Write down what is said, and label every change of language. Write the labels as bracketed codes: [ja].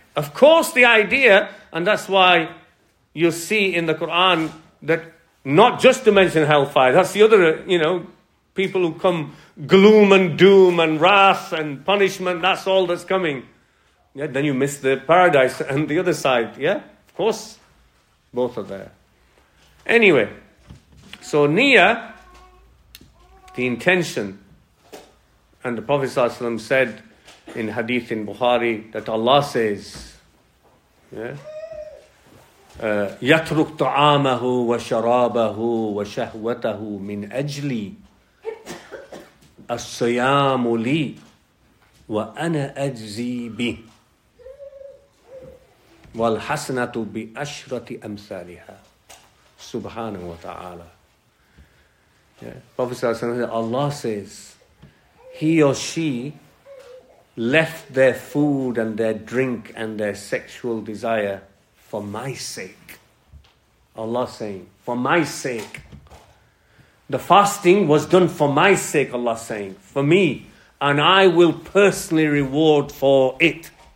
[en] Of course, the idea, and that's why you see in the Quran that not just to mention hellfire, that's the other, you know, people who come gloom and doom and wrath and punishment, that's all that's coming. Yeah, then you miss the paradise and the other side. Yeah, of course, both are there. Anyway, so niyyah, the intention, and the Prophet ﷺ said in hadith in Bukhari that Allah says, [ar] يَتْرُكْ طَعَامَهُ وَشَرَابَهُ وَشَهْوَتَهُ مِنْ أَجْلِي الصيام لي وأنا أجزي به والحسنة بأشرة أمثالها سبحانه وتعالى. [en] Prophet ﷺ, Allah says, he or she left their food and their drink and their sexual desire for my sake. Allah saying, for my sake. The fasting was done for my sake, Allah saying, for me, and I will personally reward for it.